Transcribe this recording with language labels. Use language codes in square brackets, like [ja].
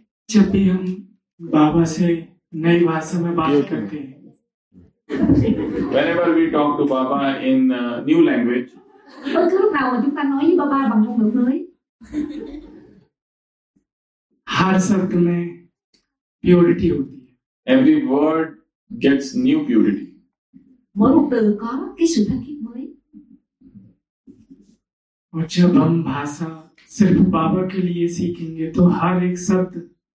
[hi] जब भी हम बाबा से नई भाषा में बात करते हैं [en] whenever we talk to baba in new language [vi] bất cứ lúc nào chúng ta nói với baba bằng ngôn ngữ mới [hi] हर शब्द में purity होती है [en] every word gets new purity [vi] mỗi một từ có cái sự thanh khiết mới [hi] और जब हम भाषा सिर्फ बाबा के लिए सीखेंगे तो हर एक शब्द